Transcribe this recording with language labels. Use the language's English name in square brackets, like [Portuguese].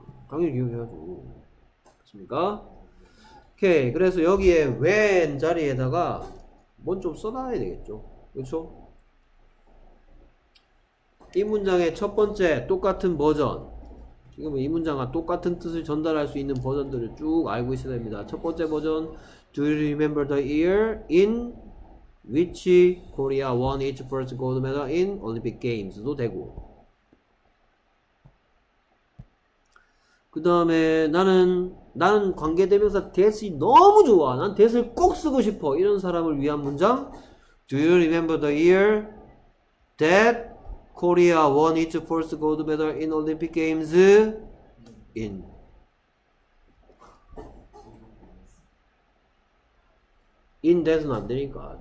[Korean] 당연히 기억해야죠. 됐습니까? 오케이. 그래서 여기에 when 자리에다가 뭔 좀 써놔야 되겠죠. 그쵸? 이 문장의 첫 번째 똑같은 버전. 지금 이 문장과 똑같은 뜻을 전달할 수 있는 버전들을 쭉 알고 있어야 됩니다. 첫 번째 버전. [English] Do you remember the year in which Korea won its first gold medal in Olympic Games [Korean] 도 되고. 그 다음에 나는 관계대명사 that이 너무 좋아. 난 that을 꼭 쓰고 싶어. 이런 사람을 위한 문장. [English] Do you remember the year that Korea won its first gold medal in Olympic Games in. [Korean] 인 that은 안 되니까.